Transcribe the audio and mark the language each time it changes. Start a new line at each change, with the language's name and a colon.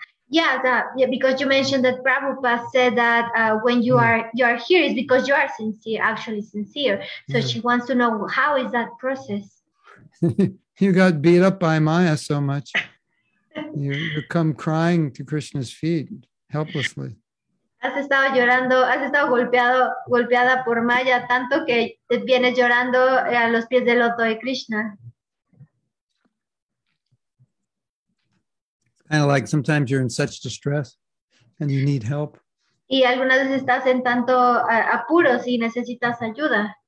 English: Yeah, that, yeah, because you mentioned that Prabhupada said that when you are here is because you are sincere, actually sincere. So she wants to know, how is that process? You got beat up by Maya so much. You come crying to Krishna's feet helplessly.
Spanish: Has estado llorando, has estado golpeado, golpeada por Maya tanto que te vienes llorando a los pies del loto de Krishna.
English: Kind of like sometimes you're in such distress and you need help.
Spanish: Y algunas veces estás en tanto apuros y necesitas ayuda.